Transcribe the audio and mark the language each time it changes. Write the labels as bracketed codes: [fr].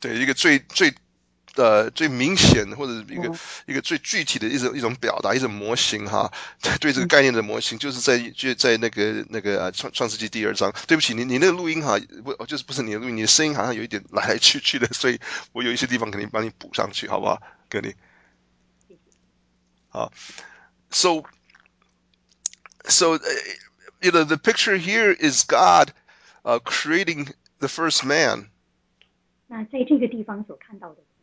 [zh] 对，一个最明显或者一个最具体的一种表达一种模型哈，对这个概念的模型，就是在那个创世纪第二章。对不起，你那个录音哈，不是你的录音，你的声音好像有一点来来去去的，所以我有一些地方肯定帮你补上去，好不好，哥你？ [en] 好 ，so the picture here is God, creating the first man. [zh] 那在这个地方所看到的。